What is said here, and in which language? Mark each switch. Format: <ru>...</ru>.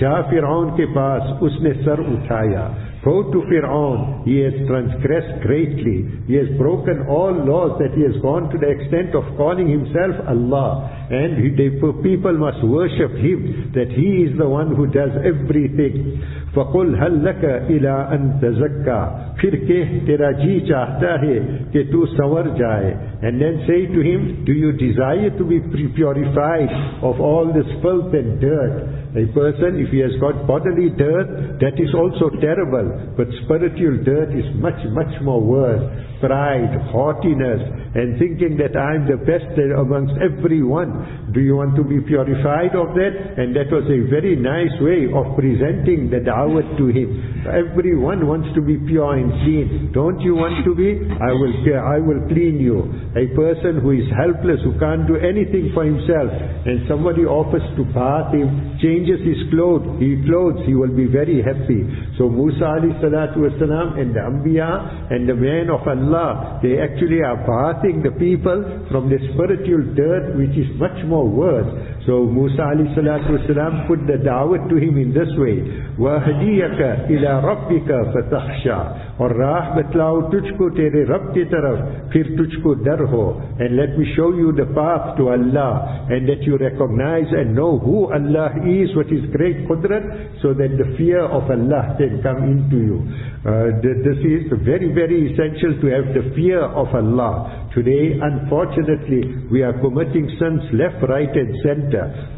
<ur>Ja Fir'aun ke paas, usne sar uthaya.</ur> <en>Go to Fir'aun, he has transgressed greatly. He has broken all laws, that he has gone to the extent of calling himself Allah. And the people must worship him, that he is the one who does everything.</en> <ar>فَقُلْ هَلْ لَكَ إِلَىٰ أَن تَزَكَّى.</ar> <ur>پھر کہ تیرا جی چاہتا ہے کہ تُو سَوَرْ جَائے.</ur> <en>And then say to him, do you desire to be purified of all this filth and dirt? A person, if he has got bodily dirt, that is also terrible. But spiritual dirt is much, much more worse. Pride, haughtiness, and thinking that I am the best amongst everyone. Do you want to be purified of that? And that was a very nice way of presenting the da'wah to him. Everyone wants to be pure and clean. Don't you want to be? I will clean you. A person who is helpless, who can't do anything for himself, and somebody offers to bathe him, changes his clothes, he will be very happy. So Musa alayhi salatu wasalam and the Anbiya and the man of Allah, they actually are bathing the people from the spiritual dirt, which is much more worse. So Musa alayhi salatu wasalam put the da'wah to him in this way.</en> <ar>وَهَدِيَكَ إِلَىٰ رَبِّكَ فَتَخْشَىٰ.</ar> <ur>اور راہ بتلاو تجھ کو تیرے رب کی طرف پھر تجھ کو ڈر ہو.</ur> <en>And let me show you the path to Allah, and that you recognize and know who Allah is, what is great qudrat, so that the fear of Allah can come into you. This is very, very essential, to have the fear of Allah. Today, unfortunately, we are committing sins left, right and center. center.</en>